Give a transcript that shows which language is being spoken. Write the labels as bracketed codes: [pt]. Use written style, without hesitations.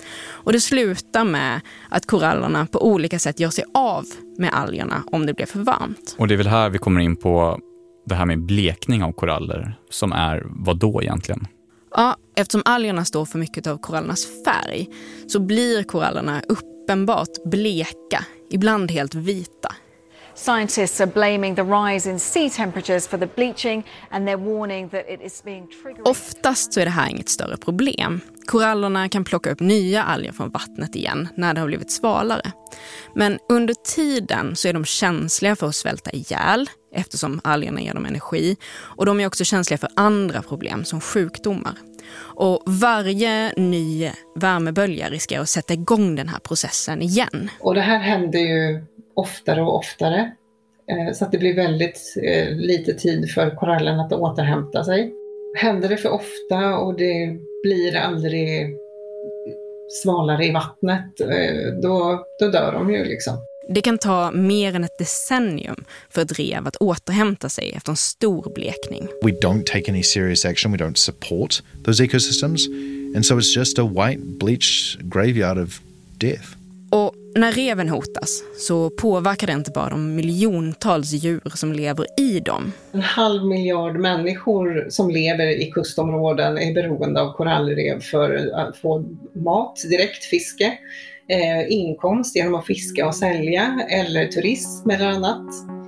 [sv] Och det slutar med att korallerna på olika sätt gör sig av med algerna om det blir för varmt. Och det är väl här vi kommer in på det här med blekning av koraller, som är vad då egentligen? Ja, eftersom algerna står för mycket av korallernas färg så blir korallerna uppenbart bleka, ibland helt vita. [en] Scientists are blaming the rise in sea temperatures for the bleaching, and they're warning that it is being triggered. [sv] Oftast så är det här inget större problem. Korallerna kan plocka upp nya alger från vattnet igen när det har blivit svalare. Men under tiden så är de känsliga för att svälta ihjäl eftersom algerna ger dem energi. Och de är också känsliga för andra problem som sjukdomar. Och varje ny värmebölja riskerar att sätta igång den här processen igen. Och det här händer ju oftare och oftare. Så att det blir väldigt lite tid för korallen att återhämta sig. Händer det för ofta och det blir aldrig svalare i vattnet, då dör de ju liksom. Det kan ta mer än ett decennium för ett rev att återhämta sig efter en stor blekning. [en] We don't take any serious action, we don't support those ecosystems. And so it's just a white bleached graveyard of death. [sv] Och när reven hotas så påverkar det inte bara de miljontals djur som lever i dem. En halv miljard människor som lever i kustområden är beroende av korallrev för att få mat, direkt fiske, inkomst genom att fiska och sälja eller turism eller annat.